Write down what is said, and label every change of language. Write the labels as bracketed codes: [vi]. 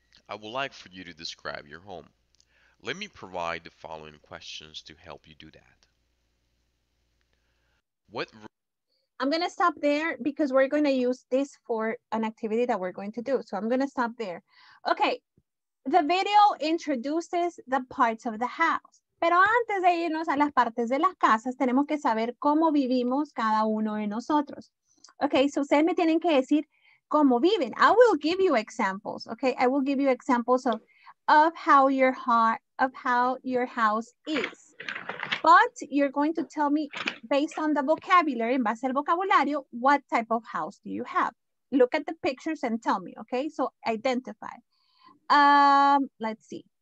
[en] I would like for you to describe your home. Let me provide the following questions to help you do that. I'm going to stop there because we're going to use this for an activity that we're going to do. So I'm going to stop there. Okay. The video introduces the parts of the house. [es] Pero antes de irnos a las partes de las casas, tenemos que saber cómo vivimos cada uno de nosotros. Okay. So ustedes me tienen que decir, ¿cómo viven? [en] I will give you examples, okay? I will give you examples of how your house is. But you're going to tell me, based on the vocabulary, [es] en base al vocabulario, [en] what type of house do you have? Look at the pictures and tell me, okay? So identify. Let's see.